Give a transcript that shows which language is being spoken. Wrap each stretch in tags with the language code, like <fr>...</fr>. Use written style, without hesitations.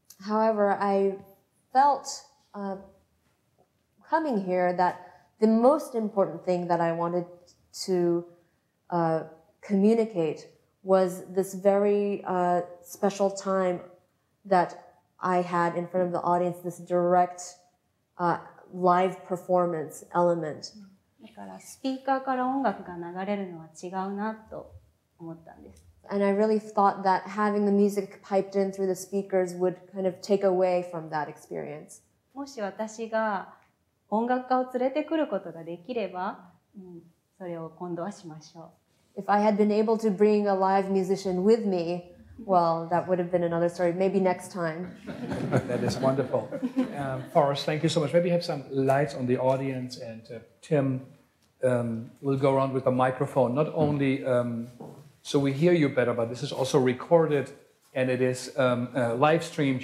<en>However, I felt coming here that the most important thing that I wanted to communicate was this very special time that I had in front of the audience, this direct live performance element.</en> <ja>だからスピーカーから音楽が流れるのは違うなと</ja> <en>And I really thought that having the music piped in through the speakers would kind of take away from that experience.</en> <ja>もし私が音楽家を連れてくることができれば、それを今度はしましょう。</ja> <en>If I had been able to bring a live musician with me, well, that would have been another story. Maybe next time. That is wonderful. Forrest, thank you so much. Maybe have some lights on the audience, and Tim will go around with a microphone. Not only so we hear you better, but this is also recorded, and it is live streamed.</en>